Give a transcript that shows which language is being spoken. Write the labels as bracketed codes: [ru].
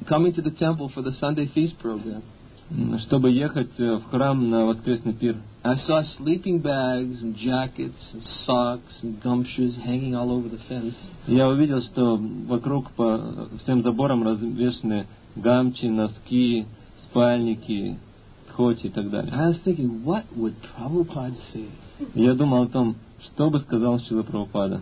[en] Coming to the temple for the Sunday feast program. [ru] Чтобы ехать в храм на воскресный пир. [en] I saw sleeping bags and jackets and socks and gumshoes hanging all over the fence. [ru] Я увидел, что вокруг по всем заборам развешаны гамчи, носки, спальники, коти и так далее. [en] I was thinking, what would Prabhupada say? [ru] Я думал о том, что бы сказал Шрила Прабхупада.